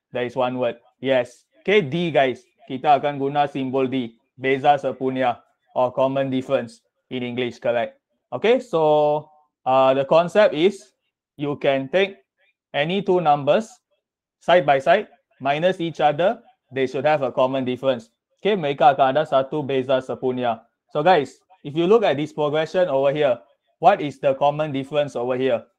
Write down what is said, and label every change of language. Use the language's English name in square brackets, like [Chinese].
[English] There is one word. Yes. Okay, D, guys. [Malay] Kita akan guna simbol D. Beza sepunya [English] or common difference in English, correct? Okay, so the concept is you can take any two numbers side by side, minus each other, they should have a common difference. [Malay] Okay, mereka akan ada satu beza sepunya. [English] So guys, if you look at this progression over here, what is the common difference over here?